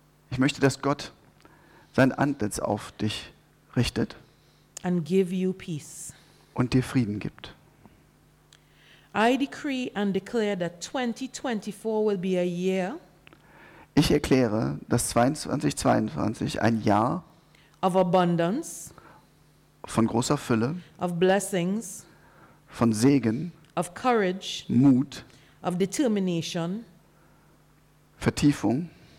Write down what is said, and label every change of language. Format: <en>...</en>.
<de>Ich möchte, dass Gott sein Antlitz auf dich richtet.</de> <en>And give you peace.</en> <de>Und dir Frieden gibt.</de> <en>I decree and declare that 2024 will be a year.</en> <de>Ich erkläre, dass 2022 ein Jahr</de> <en>of abundance,</en> <de>von großer Fülle,</de> <en>of blessings,</en> <de>von Segen,</de> <en>of courage,</en> <de>Mut,</de> <en>of determination,</en> <de>Vertiefung,</de>